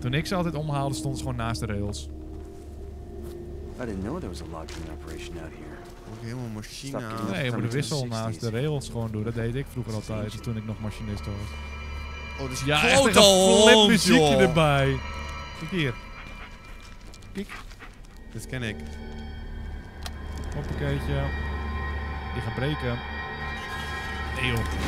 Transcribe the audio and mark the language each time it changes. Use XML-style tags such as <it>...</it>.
<nl>Toen ik ze altijd omhaalde, stond ze gewoon naast de rails.</nl> <en>I didn't know there was a locking operation out here.</en> <nl>Ook helemaal machine aan. Nee, je moet de wissel naast de rails gewoon doen. Dat deed ik vroeger altijd, toen ik nog machinist was. Oh, dus ja, echt een flip muziekje erbij. Kijk hier. Kijk. Dit ken ik. Hoppakeetje. Die gaat breken. Nee, joh.</nl>